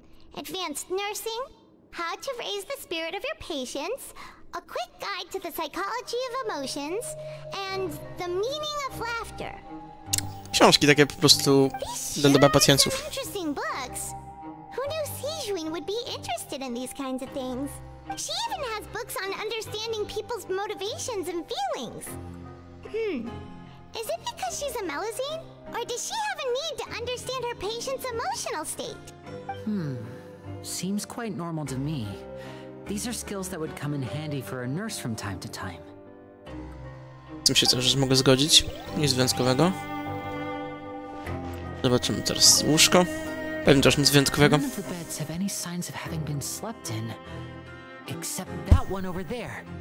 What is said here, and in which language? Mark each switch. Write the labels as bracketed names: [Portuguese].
[English] Advanced nursing, how to raise the spirit of your patients, a quick guide to the psychology of emotions, and the meaning of laughter. [Polish] Książki takie po prostu dla dobra pacjentów. [English] Who knew Sijuin would be interested in these kinds of things? She even has books on understanding people's motivations and feelings. Hmm. Is it because she's a Melusine? Or does she have a need to understand her patient's emotional state? Hmm. Seems quite normal to me. These are skills that would come in handy for a nurse from time to time. [Polish] Z tym się też mogę zgodzić. Nic wyjątkowego. Zobaczymy teraz łóżko. Pewnie też nic wyjątkowego. [English] None of the beds have any signs of having been slept in, except that one over there.